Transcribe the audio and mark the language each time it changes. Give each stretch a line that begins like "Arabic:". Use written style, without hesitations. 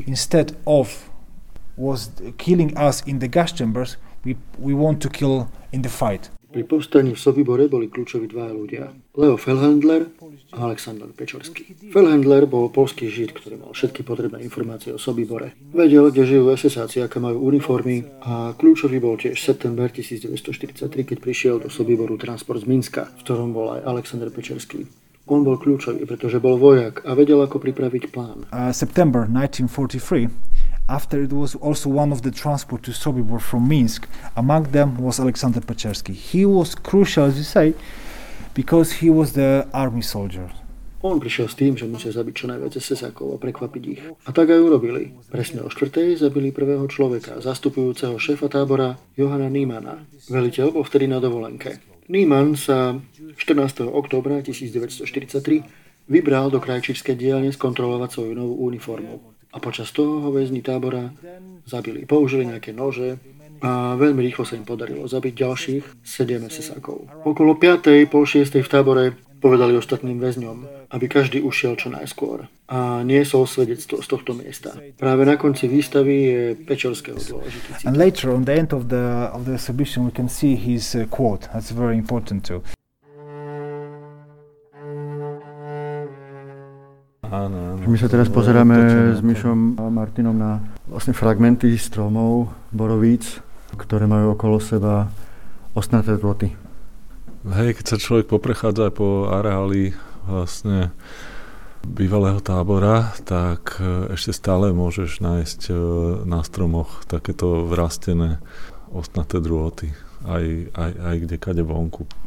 English: Instead of was killing us in the gas chambers, we want to kill in the fight.
Slovak: Pri povstaní v Sobibore boli kľúčoví dva ľudia. Leo Felhandler a Aleksandr Pečorský. Felhandler bol poľský žid, ktorý mal všetky potrebné informácie o Sobibore. Vedel, kde žijú SS-áci, aké majú uniformy a kľúčový bol tiež september 1943, keď prišiel do Sobiboru transport z Minska, v ktorom bol aj Aleksandr Pečorský. On bol kľúčový, pretože bol vojak a vedel, ako pripraviť plán.
English: September 1943, after it was also one of the transport to Sobibor from Minsk, among them was Aleksandr Pečorský. He was crucial, as you say, because he was the army soldier.
Slovak: On prišiel s tým, že musia zabiť čo najviac SS-akov a prekvapiť ich. A tak aj urobili. Presne o 4. zabili prvého človeka, zastupujúceho šéfa tábora Johana Niemana. Veliteľ bol vtedy na dovolenke. Niemann sa 14. októbra 1943 vybral do krajčírskej dielne skontrolovať svoju novú uniformu. A počas toho ho väzni tábora zabili. Použili nejaké nože a veľmi rýchlo sa im podarilo zabiť ďalších 7 SS-akov. Okolo 5. pol 6. v tábore povedali ostatným väzňom, aby každý ušiel čo najskôr. A niesol svedectvo z tohto miesta. Práve na konci výstavy je Pečorského dôležitý citát.
English: And later on the end of the exhibition we can see his quote. That's very important too.
Slovak: Áno, áno. My sa teraz pozeráme s Mišom a Martinom na vlastne fragmenty stromov borovíc, ktoré majú okolo seba ostnaté ploty. Hej, keď sa človek poprechádza po areáli vlastne bývalého tábora, tak ešte stále môžeš nájsť na stromoch takéto vrastené ostnaté druhoty aj kdekade vonku.